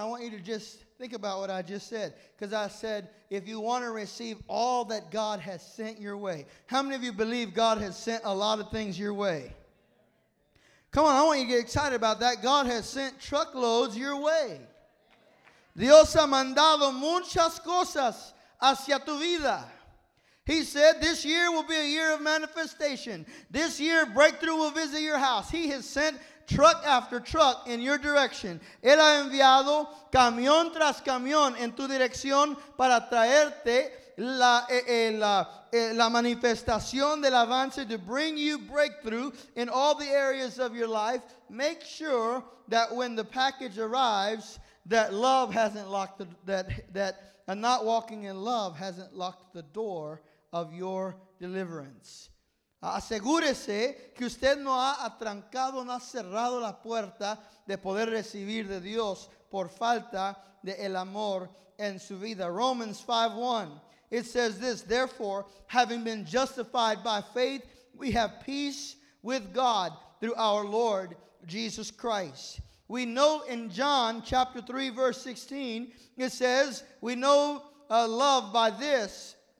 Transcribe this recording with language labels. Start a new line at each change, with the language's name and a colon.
English: And I want you to just think about what I just said, because I said, if you want to receive all that God has sent your way, how many of you believe God has sent a lot of things your way? Come on, I want you to get excited about that. God has sent truckloads your way.
Spanish: Dios ha mandado muchas cosas hacia tu vida.
English: He said, this year will be a year of manifestation. This year, breakthrough will visit your house. He has sent truck after truck in your direction.
Spanish: Él ha enviado camión tras camión en tu dirección para traerte la manifestación del avance,
English: to bring you breakthrough in all the areas of your life. Make sure that when the package arrives, that love hasn't locked the, that not walking in love hasn't locked the door of your deliverance.
Spanish: Asegúrese que usted no ha atrancado, no ha cerrado la puerta de poder recibir de Dios por falta de el amor en su vida.
English: Romans 5:1, it says this: therefore, having been justified by faith, we have peace with God through our Lord Jesus Christ. We know in John chapter 3, verse 16, it says, we know love by this.